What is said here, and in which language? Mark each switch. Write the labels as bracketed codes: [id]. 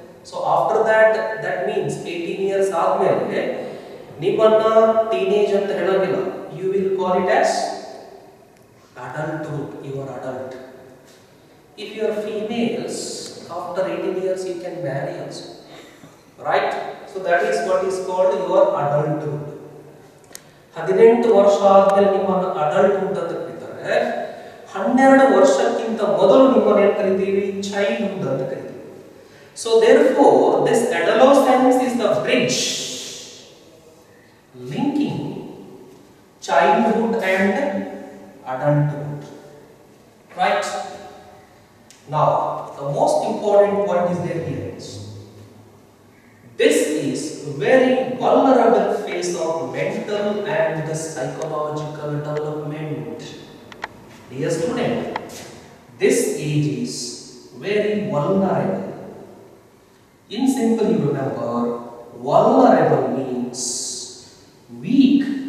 [en] So after that means 18 years aadmele nimanna teenage anta helagilla, you will call it as adulthood. You are adult. If you are females, after 18 years you can marry also. Right? So that is what is called your adulthood. [kn] 18 ವರ್ಷ ಆದ್ಮೇಲೆ ನಿಮ್ಮನ್ನ adulthood ಅಂತ ಕರೀತಾರೆ. 12 ವರ್ಷಕ್ಕಿಂತ ಮೊದಲು ನಿಮ್ಮನ್ನ ಏನ್ ಕರಿತೀವಿ? ಚೈಲ್ಡ್ಹುಡ್ ಅಂತ ಕರಿತೀವಿ. [en] So therefore this adolescence is the bridge linking childhood and adulthood. Right? Now the most important point is there here. This is very vulnerable phase of mental and the psychological development. Dear student, this age is very vulnerable. In simple, you remember, vulnerable means weak.